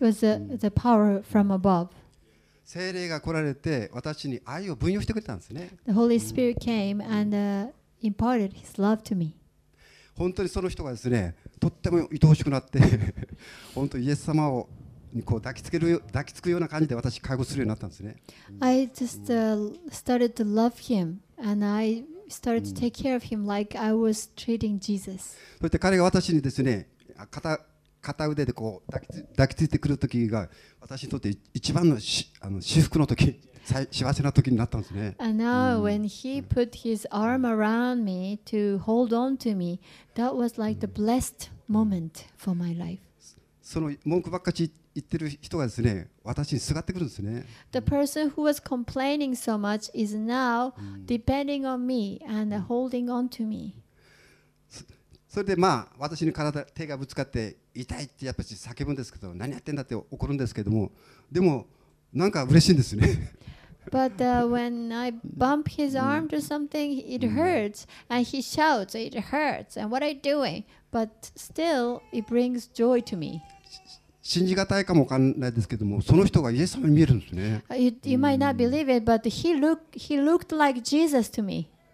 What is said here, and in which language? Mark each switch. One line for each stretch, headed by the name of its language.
English: It was the power from above.
Japanese: 聖霊が来られて私に愛を分与してくれたんですね。
English: The Holy Spirit came and imparted his love to me.
Japanese: 本当にその人がですね、とっても愛おしくなって本当にイエス様をこう抱きつくような感じで私介護するようになったんですね。
English: I just started to love him and I started to take care of him like I was treating Jesus.
Japanese: そして彼が私にですね、片腕でこう抱きついてくる時が私にとって一番の至福の時、幸せな時になったんですね。
English: And now when he put his arm around me to hold on to me, that was like the blessed moment for my life.
Japanese: その文句ばっかり言ってる人がですね、私にすがってくるんですね。
English: The person who was complaining so much is now depending on me and holding on to me.
Japanese: それでまあ私に体手がぶつかって痛いってやっぱり叫ぶんですけど、何やってんだって怒るんですけども、でもなんか嬉しいんですね。
English: But when I bump his arm to something, it hurts and he shouts, it hurts and what are you doing? But still, it brings joy to me.
Japanese: 信じがたいかもわかんないですけども、その人がイエス様に見えるんですね。
English: You might not believe it, but he looked like Jesus to me.